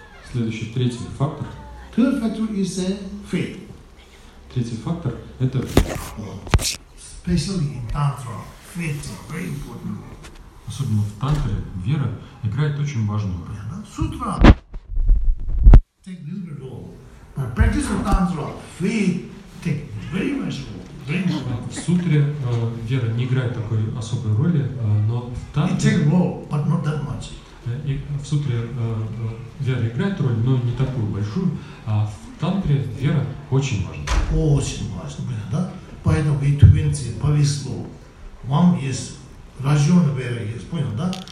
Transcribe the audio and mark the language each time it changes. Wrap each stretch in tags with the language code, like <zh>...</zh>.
<ru>Следующий, третий фактор.</ru> <en>Third factor is a faith.</en> <ru>Третий фактор – это</ru> <en>especially in tantra, faith is very important.</en> <ru>Особенно в тантре вера играет очень важную роль.</ru> <en>Sutra take little bit role. But practice of tantra, faith take very much role.</en> <ru>В сутре вера не играет такой особой роли, но в тантре… It takes role, but not that much. И в сутре вера играет роль, но не такую большую, а в тантре вера очень важна. Очень важна, понятно, да? Поэтому и тувинцы повезло. Вам есть рожденная вера, есть, понял, да?</ru>